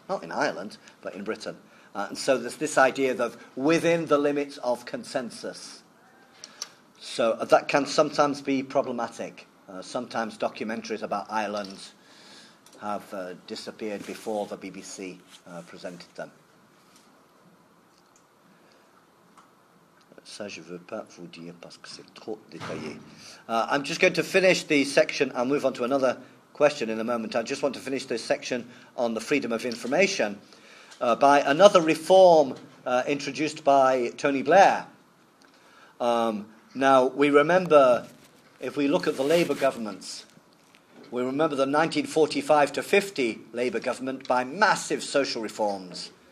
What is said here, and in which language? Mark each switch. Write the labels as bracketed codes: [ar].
[en] Not in Ireland, but in Britain. And so there's this idea that within the limits of consensus. So that can sometimes be problematic. Sometimes documentaries about Ireland have disappeared before the BBC presented them. [fr] Ça, je veux pas vous dire parce que c'est trop détaillé. [en] I'm just going to finish the section and move on to another question in a moment. I just want to finish this section on the freedom of information. By another reform introduced by Tony Blair. Now, we remember, if we look at the Labour governments, we remember the 1945-50 Labour government by massive social reforms.